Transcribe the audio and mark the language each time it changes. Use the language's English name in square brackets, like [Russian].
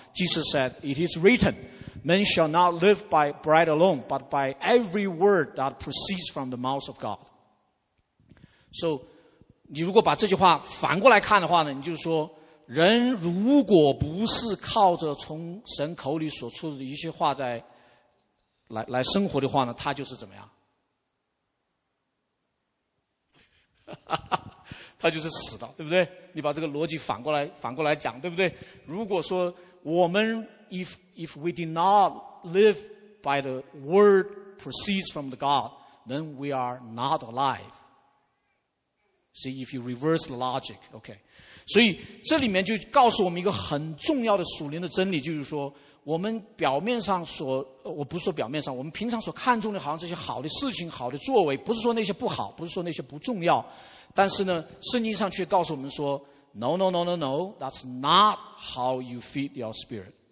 [English] Jesus said, "It is written, men shall not live by bread alone, but by every word that proceeds from the mouth of God." [Chinese] So, 你如果把这句话反过来看的话呢，你就说，人如果不是靠着从神口里所出的一切话在来生活的话呢，他就是怎么样？哈哈。他就是死的，对不对？你把这个逻辑反过来讲，对不对？如果说我们 [English] if we did not live by the word proceeds from the God, then we are not alive. See if you reverse the logic, okay? [Chinese] 所以这里面就告诉我们一个很重要的属灵的真理，就是说我们表面上所，我不是说表面上，我们平常所看重的，好像这些好的事情、好的作为，不是说那些不好，不是说那些不重要。但是呢，圣经上却告诉我们说 [English] ，No, no, no, no, no, that's not how you feed your spirit.